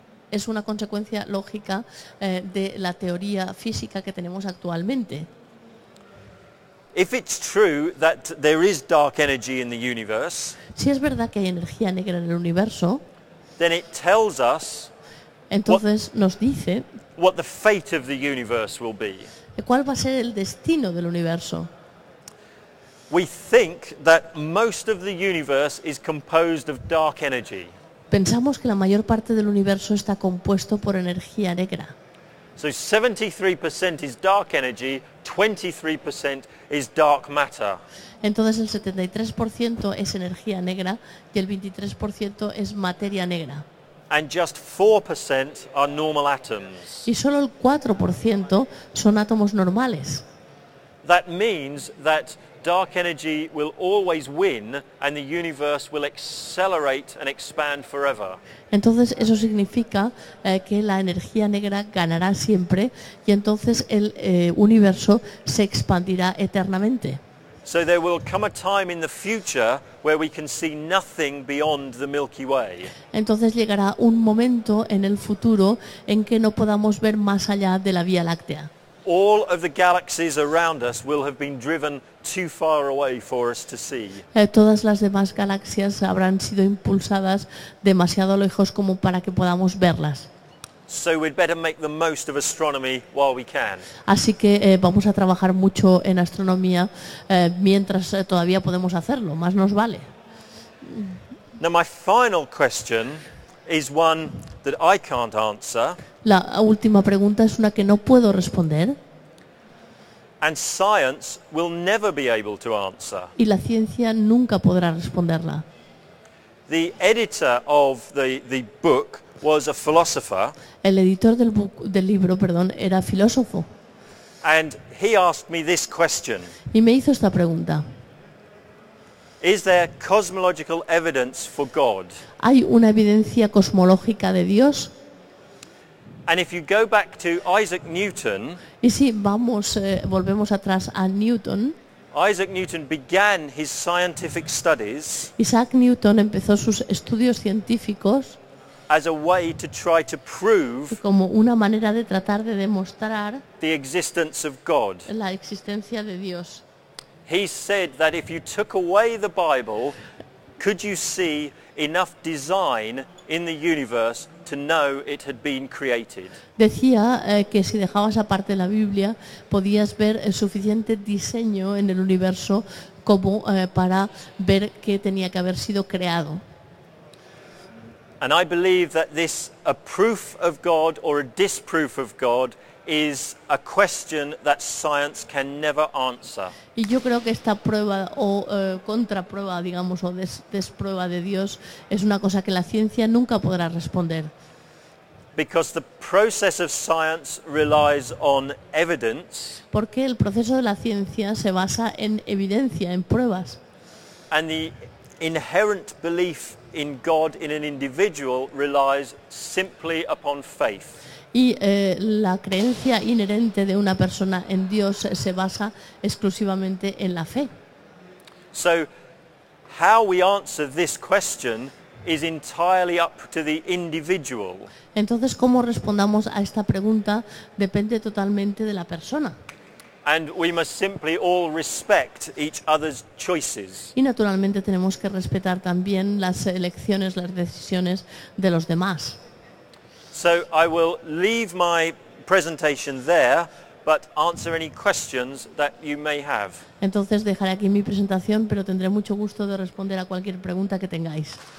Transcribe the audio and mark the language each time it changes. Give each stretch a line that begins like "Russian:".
Spanish: Es una consecuencia lógica de la teoría física que tenemos actualmente.
English: If it's true that there is dark energy in the universe,
Spanish: si es verdad que hay energía negra en el universo,
English: then it tells us,
Spanish: entonces nos dice,
English: what the fate of the universe will be.
Spanish: ¿Cuál va a ser el destino del universo?
English: We think that most of the universe is composed of dark energy.
Spanish: Pensamos que la mayor parte del universo está compuesto por energía negra.
English: So 73% is dark energy, 23% is dark matter.
Spanish: Entonces el 73% es energía negra y el 23% es materia negra.
English: And just 4% are normal atoms.
Spanish: Y solo el 4% son átomos normales.
English: That means that dark energy will always win and the universe will accelerate and expand forever.
Spanish: Entonces eso significa que la energía negra ganará siempre y entonces el universo se expandirá eternamente.
English: So there will come a time in the future where we can see nothing beyond the Milky Way.
Spanish: Entonces llegará un momento en el futuro en que no podamos ver más allá de la Vía Láctea.
English: All of the galaxies around us will have been driven too far away for us to see.
Spanish: Todas las demás galaxias habrán sido impulsadas demasiado lejos como para que podamos verlas.
English: So we'd better make the most of astronomy while we can.
Spanish: Así que vamos a trabajar mucho en astronomía mientras todavía podemos hacerlo, más nos vale.
English: Now my final question is one that I can't answer.
Spanish: La última pregunta es una que no puedo responder.
English: And science will never be able to answer.
Spanish: Y la ciencia nunca podrá responderla.
English: The editor of the book was a philosopher.
Spanish: El editor del libro, era filósofo.
English: And he asked me this question.
Spanish: Y me hizo esta pregunta.
English: Is there cosmological evidence for God?
Spanish: ¿Hay una evidencia cosmológica de Dios?
English: And if you go back to Isaac Newton,
Spanish: y si vamos, volvemos atrás a Newton,
English: Isaac Newton began his scientific studies,
Spanish: Isaac Newton empezó sus estudios científicos,
English: as a way to try to prove,
Spanish: como una manera de tratar de demostrar,
English: the existence of God,
Spanish: la existencia de Dios.
English: He said that if you took away the Bible, could you see enough design in the universe to know it had been created?
Spanish: Decía que si dejabas aparte la Biblia, podías ver el suficiente diseño en el universo como para ver que tenía que haber sido creado.
English: And I believe that this a proof of God or a disproof of God is a question that science can never answer.
Spanish: Y yo creo que esta prueba o contraprueba, digamos, o desprueba de Dios es una cosa que la ciencia nunca podrá responder.
English: Because the process of science relies on evidence.
Spanish: Porque el proceso de la ciencia se basa en evidencia, en pruebas.
English: And the inherent belief in God in an individual relies simply upon faith.
Spanish: Y la creencia inherente de una persona en Dios se basa exclusivamente en la fe.
English: So how we answer this question is entirely up to the individual.
Spanish: Entonces, cómo respondamos a esta pregunta depende totalmente de la persona.
English: And we must simply all respect each other's choices.
Spanish: Y naturalmente tenemos que respetar también las elecciones, las decisiones de los demás.
English: So I will leave my presentation there, but answer any questions that you may have.
Spanish: Entonces dejaré aquí mi presentación, pero tendré mucho gusto de responder a cualquier pregunta que tengáis.